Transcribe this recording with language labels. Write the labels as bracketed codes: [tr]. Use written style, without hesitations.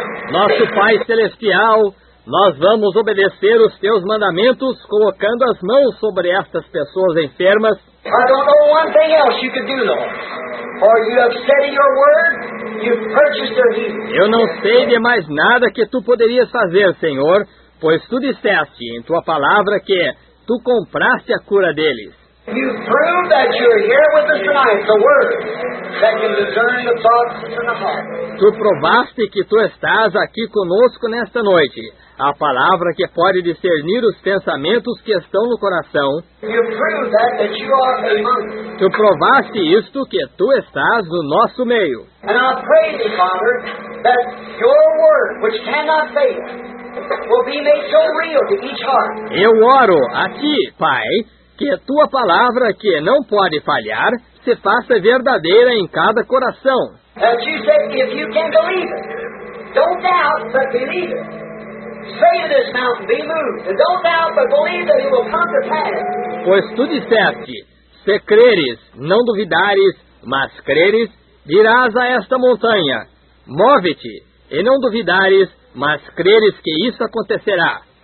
[pt] Nosso Pai Celestial, nós vamos obedecer os teus mandamentos colocando as mãos sobre estas pessoas enfermas. [en] I don't know one thing else you could do, though. For you have said in your word, you've purchased their healing. [pt] Eu não sei de mais nada que tu poderias fazer, Senhor, pois tu disseste em tua palavra que tu compraste a cura deles. [en] You prove that you're here with us tonight, the word that can discern the thoughts and the heart. [pt] Tu provaste que tu estás aqui conosco nesta noite, a palavra que pode discernir os pensamentos que estão no coração. [en] You prove that you are among us. [pt] Tu provaste isto, que tu estás no nosso meio. [en] And I pray thee, Father, that your word, which cannot fail, will be made so real to each heart. [pt] Eu oro a ti, Pai, que a tua palavra, que não pode falhar, se faça verdadeira em cada coração. [en] As you said, if you can believe it, don't doubt, but believe it. Say to this mountain, be moved, and don't doubt, but believe that it will come to pass. [pt] Pois tu disseste, se creres, não duvidares, mas creres, dirás a esta montanha, move-te, e não duvidares, mas creres que isso acontecerá.